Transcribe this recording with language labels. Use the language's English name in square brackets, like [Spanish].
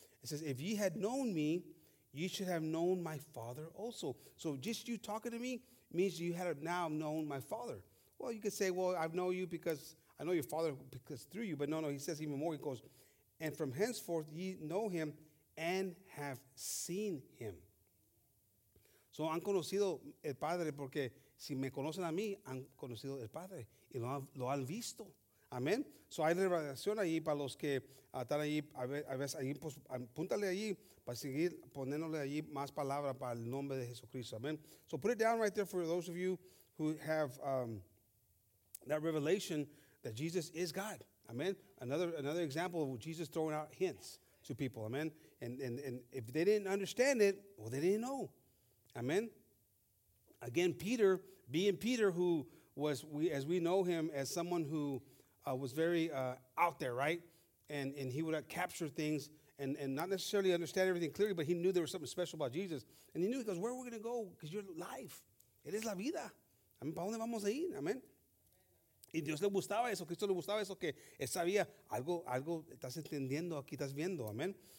[English] It says, if ye had known me, ye should have known my Father also. So just you talking to me means you had now known my Father. Well, you could say, well, I know you because I know your Father because through you. But no, he says even more. He goes, and from henceforth ye know him and have seen him. [Spanish] So han conocido el Padre porque si me conocen a mí, han conocido el Padre y lo han visto. Amén. So hay revelación ahí para los que están ahí. A veces ahí, pues, apúntale ahí para seguir poniéndole ahí más palabra para el nombre de Jesucristo. Amén. [English] So put it down right there for those of you who have that revelation that Jesus is God. Amen. Another example of Jesus throwing out hints to people. Amen. And if they didn't understand it, well, they didn't know. Amen. Again, Peter, being Peter, who was, as we know him, as someone who was very out there, right? And he would capture things and not necessarily understand everything clearly, but he knew there was something special about Jesus. And he knew, he goes, where are we going to go? Because you're life. It is [Spanish] la vida. [English] Amen. [Spanish] ¿Para dónde vamos a ir? [English] Amen. [Spanish] Y Dios le gustaba eso, Cristo le gustaba eso, que él sabía algo estás entendiendo aquí, estás viendo, amen.